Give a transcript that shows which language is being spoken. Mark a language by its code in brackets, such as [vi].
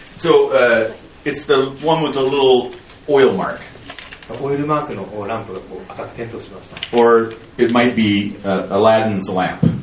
[en] So, it's the one with the little oil mark. [ja] オイルマークのランプがこう赤く点灯しました。 [en] Or it might be Aladdin's lamp.